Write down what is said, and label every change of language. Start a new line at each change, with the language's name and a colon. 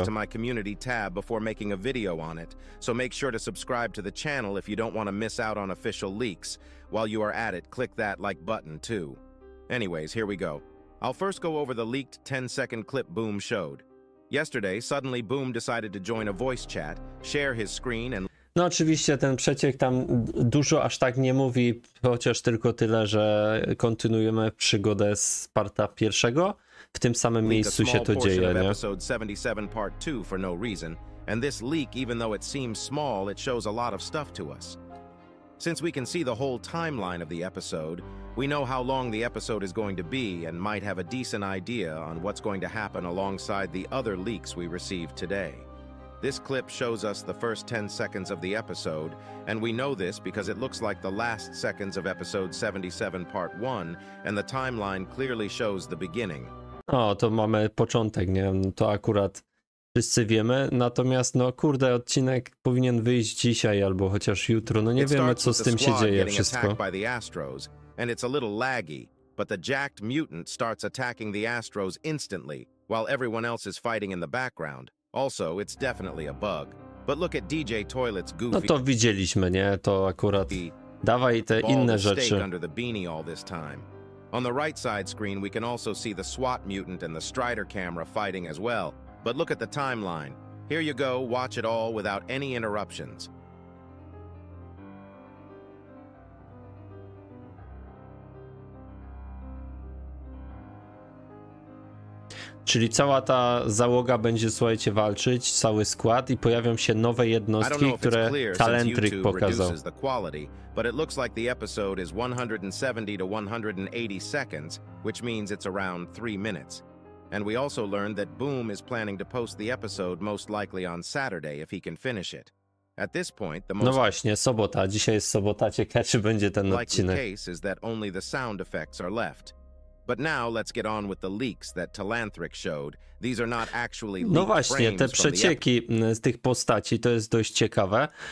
English: To my community tab before making a video on it. So make sure to subscribe to the channel if you don't want to miss out on official leaks. While you are at it, click that like button too. Anyways, here we go. I'll first go over the leaked 10-second clip Boom showed. Yesterday, suddenly Boom decided to join a voice chat, share his screen and...
Polish: No oczywiście ten przeciek tam dużo aż tak nie mówi, chociaż tylko tyle, że kontynuujemy przygodę z parta pierwszego. W tym samym miejscu się to dzieje, nie?
English: Episode 77 part 2 for no reason. And this leak, even though it seems small, it shows a lot of stuff to us. Since we can see the whole timeline of the episode, we know how long the episode is going to be and might have a decent idea on what's going to happen alongside the other leaks we received today. This clip shows us the first 10 seconds of the episode, and we know this because it looks like the last seconds of episode 77 part 1, and the timeline clearly shows the beginning.
Polish: O, to mamy początek, nie? To akurat wszyscy wiemy, natomiast no kurde, odcinek powinien wyjść dzisiaj albo chociaż jutro, no nie wiemy co z tym się dzieje wszystko.
English: Astros, and it's a little laggy, but the jacked mutant starts attacking the Astros instantly, while everyone else is fighting in the background. Also, it's definitely a bug. But look at DJ Toilet's goofy.
Polish: No to widzieliśmy, nie? To akurat. Dawaj te inne rzeczy.
English: Under the beanie all this time. On the right side screen, we can also see the SWAT mutant and the Strider camera fighting as well. But look at the timeline. Here you go, watch it all without any interruptions.
Polish: Czyli cała ta załoga będzie, słuchajcie, walczyć, cały skład i pojawią się nowe jednostki, które Talent Trick pokazał.
English: The quality, but it looks like the episode is 170 to 180 seconds, which means it's around 3 minutes. And we also learned that Boom is planning to post the episode most likely on Saturday if he can finish it. At this point, the most...
Polish: No właśnie, sobota. Dzisiaj jest sobota. Ciekawe, czy będzie ten odcinek.
English: Case is that only the sound effects are left. But now let's get on with the leaks that Talanthric showed. These are not actually leaked.
Polish: No właśnie, te przecieki z tych postaci, to jest dość ciekawe.